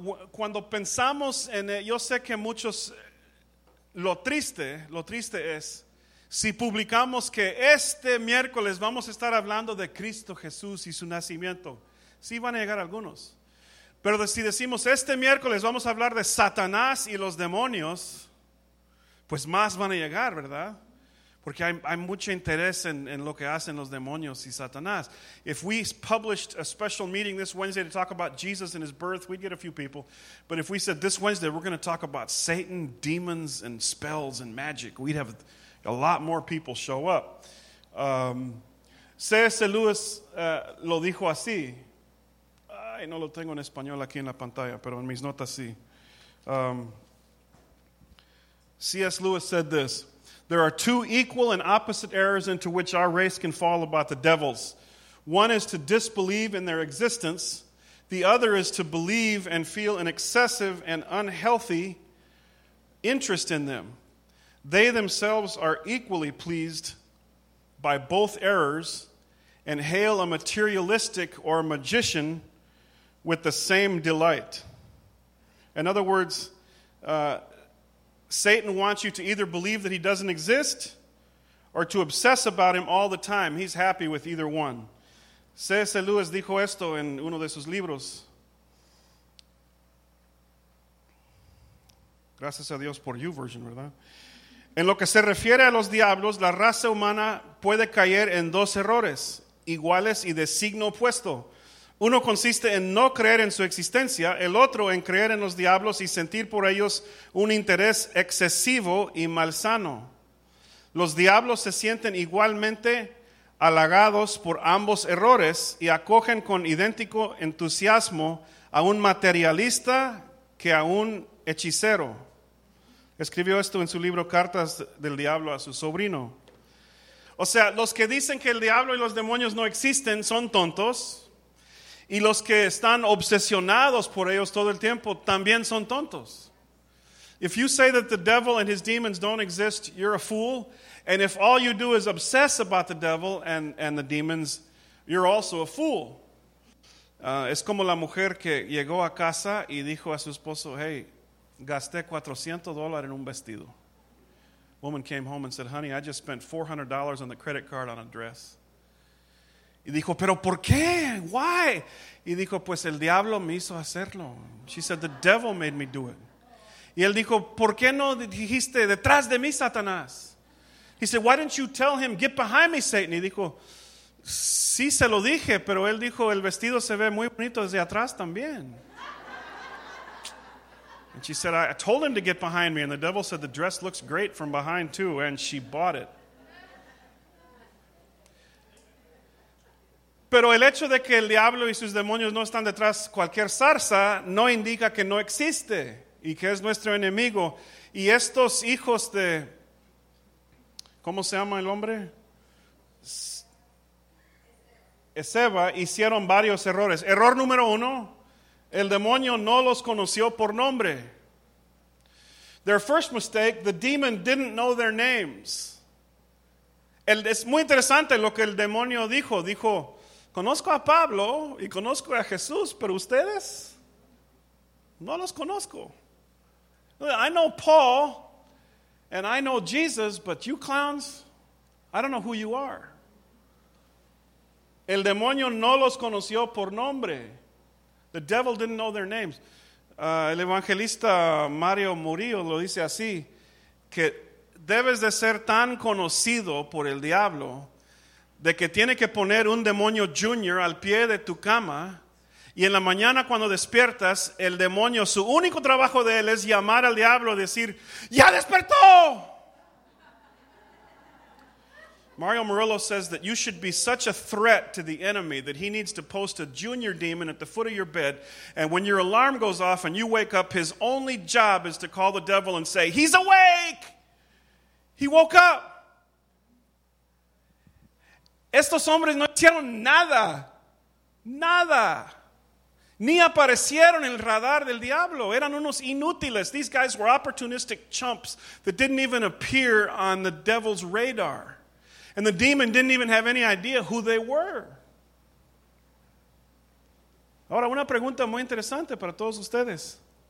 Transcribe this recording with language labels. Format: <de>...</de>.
<es>Cuando pensamos en, yo sé que muchos, lo triste es, si publicamos que este miércoles vamos a estar hablando de Cristo Jesús y su nacimiento, sí van a llegar algunos. Pero si decimos este miércoles vamos a hablar de Satanás y los demonios, pues más van a llegar, ¿verdad? Porque hay mucho interés en lo que hacen los demonios y Satanás.</es> <en>If we published a special meeting this Wednesday to talk about Jesus and his birth, we'd get a few people. But if we said this Wednesday we're going to talk about Satan, demons, and spells and magic, we'd have a lot more people show up.</en> <es>C.S. Lewis lo dijo así. Ay, no lo tengo en español aquí en la pantalla, pero en mis notas sí.</es> <en>C.S. Lewis said this. There are two equal and opposite errors into which our race can fall about the devils. One is to disbelieve in their existence. The other is to believe and feel an excessive and unhealthy interest in them. They themselves are equally pleased by both errors and hail a materialistic or a magician with the same delight. In other words, Satan wants you to either believe that he doesn't exist or to obsess about him all the time. He's happy with either one. C.S.</en> <es>Lewis dijo esto en uno de sus libros. Gracias a Dios por you version, ¿verdad? En lo que se refiere a los diablos, la raza humana puede caer en dos errores, iguales y de signo opuesto. Uno consiste en no creer en su existencia, el otro en creer en los diablos y sentir por ellos un interés excesivo y malsano. Los diablos se sienten igualmente halagados por ambos errores y acogen con idéntico entusiasmo a un materialista que a un hechicero. Escribió esto en su libro Cartas del Diablo a su sobrino. O sea, los que dicen que el diablo y los demonios no existen son tontos. Y los que están obsesionados por ellos todo el tiempo también son tontos.</es> <en>If you say that the devil and his demons don't exist, you're a fool. And if all you do is obsess about the devil and the demons, you're also a fool.</en> <es>Es como la mujer que llegó a casa y dijo a su esposo, hey, gasté $400 en un vestido.</es> <en>Woman came home and said, honey, I just spent $400 on the credit card on a dress.</en> <es>Y dijo, pero ¿por qué?</es> <en>Why?</en> <es>Y dijo, pues el diablo me hizo hacerlo.</es> <en>She said, the devil made me do it.</en> <es>Y él dijo, ¿por qué no dijiste detrás de mí, Satanás?</es> <en>He said, why didn't you tell him, get behind me, Satan?</en> <es>Y dijo, sí se lo dije, pero él dijo, el vestido se ve muy bonito desde atrás también.</es> <en>And she said, I told him to get behind me. And the devil said, the dress looks great from behind too. And she bought it.</en> <es>Pero el hecho de que el diablo y sus demonios no están detrás cualquier zarza no indica que no existe y que es nuestro enemigo. Y estos hijos de, ¿cómo se llama el hombre? Ezeba hicieron varios errores. Error número uno. El demonio no los conoció por nombre.</es> <en>Their first mistake, the demon didn't know their names.</en> <es>Es muy interesante lo que el demonio dijo. Dijo, conozco a Pablo y conozco a Jesús, pero ustedes no los conozco.</es> <en>I know Paul and I know Jesus, but you clowns, I don't know who you are.</en> <es>El demonio no los conoció por nombre.</es> <en>The devil didn't know their names.</en> <es>El evangelista Mario Murillo lo dice así, que debes de ser tan conocido por el diablo de que tiene que poner un demonio junior al pie de tu cama y en la mañana cuando despiertas, el demonio, su único trabajo de él es llamar al diablo y decir, ¡ya despertó!</es> <en>Mario Murillo says that you should be such a threat to the enemy that he needs to post a junior demon at the foot of your bed. And when your alarm goes off and you wake up, his only job is to call the devil and say, he's awake! He woke up!</en> <es>Estos hombres no hicieron nada. Nada. Ni aparecieron en el radar del diablo. Eran unos inútiles.</es> <en>These guys were opportunistic chumps that didn't even appear on the devil's radar. And the demon didn't even have any idea who they were.</en> <es>Ahora, una pregunta muy interesante para todos ustedes.</es>